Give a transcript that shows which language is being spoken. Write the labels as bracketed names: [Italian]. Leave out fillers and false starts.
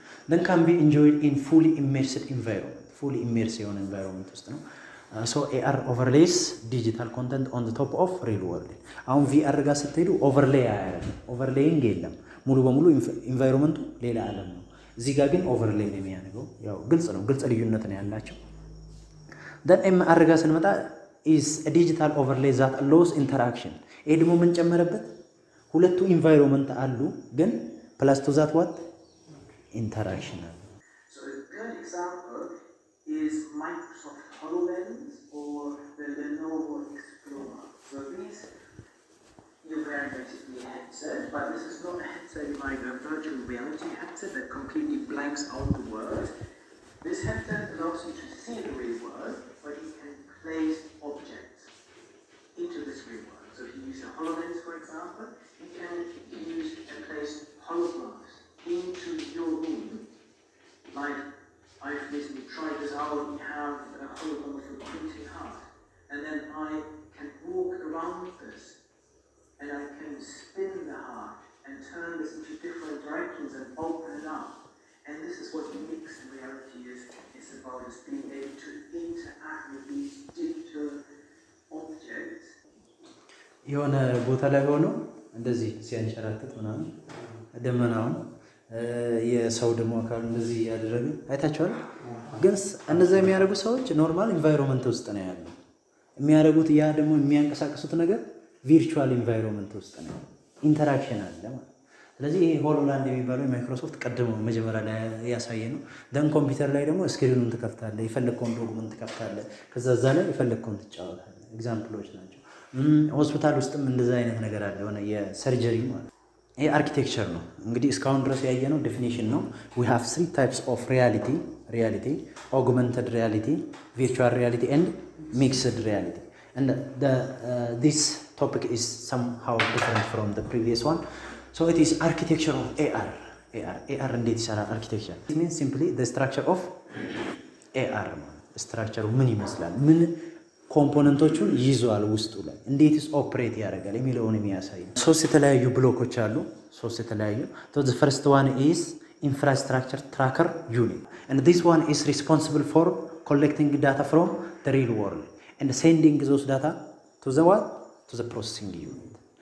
[English] then can be enjoyed in fully immersed [Amharic] environment fully immersed የሆነ environment ውስጥ ነው [English] so AR overlays digital content on the top of real world [Amharic] አሁን VR ጋር ስትሄዱ overlay አያለም overlaying የለም ሙሉ በሙሉ environmentው ሌላ ዓለም ነው እዚህ ጋር ግን overlay ነው የሚያነገው ያው ግልጽ ነው ግልጽ ልዩነት ነው ያላቸው [English] then MR [Amharic] ጋር ስንመጣ [English] is a digital overlay that allows interaction [Amharic] ይሄ ደግሞ ምን ጨመረበት ሁለቱ environment አሉ ግን [English] plus to that what interaction so the good example is Microsoft HoloLens or the Lenovo Explorer. So this, you wear basically a headset, but this is not a headset in my virtual reality headset that completely blanks out the world. This sentence allows you to see the real world, but you can place objects into this real world. So if you use a HoloLens, for example, you can use to place holographs into your room. Like, I've recently tried this out, we have a hologram of a beating heart. And then I can walk around this, and I can spin the heart and turn this into different directions and open it up. And this is what mixed reality is. It's about us being able to interact with these digital objects. You want a bottle of water? [Amharic] እንደዚህ ሲያንሸራተት ምናምን ደመናው የሰው ደሞ አካል እንደዚህ ያደረገ አይታችኋል? ግን እነዚህ የሚያርጉ ሰዎች ኖርማል ኢንቫይሮንመንት ውስጥ ነው ያሉ። የሚያርጉት ያ ደሞ የሚያንቀሳቀሱት ነገር ቨርቹዋል ኢንቫይሮንመንት ውስጥ ነው ኢንተራክሽን አለ ማለት። ስለዚህ ይሄ ሆሎላንድ የሚባለው ማይክሮሶፍት ቀድሞ መጀመሪያ ላይ ያሳየ ነው። ደን ኮምፒውተር ላይ ደሞ ስክሪኑን ትከፍታለህ፣ ይፈልከውን ዶክመንት ትከፍታለህ፣ ከዛ ላይ ይፈልከውን ትጫወታለህ። ኤግዛምፕሎች ናቸው። ሆስፒታል ውስጥም እንደዛ አይነት ነገር አለ ሆነ የሰርጀሪ ማለት ይሄ አርኪቴክቸር ነው። እንግዲህ እስካሁን ድረስ ያየነው ዲፊኒሽን ነው። [English] we have three types of reality reality augmented reality virtual reality and mixed reality and the this topic is somehow different from the previous one. So it is architecture of AR. [Amharic] AR እንዴት ይሰራል? [English] አርኪቴክቸር it means simply the structure of AR. [Amharic] structure ምን ይመስላል? ምን ኮምፖነንቶቹን ይዟል ውስጡ ላይ እንዴት ኢስ ኦፕሬት ያደርጋል የሚለውን የሚያሳይ ነው። ሶስት የተለያዩ ብሎኮች አሉ። ሶስት የተለያዩ ቶ ዘ ፈርስት ዋን ኢስ ኢንፍራስትራክቸር ትራከር ዩኒት [English] and this one is responsible for collecting data from the real world and sending those data to the what to the processing unit.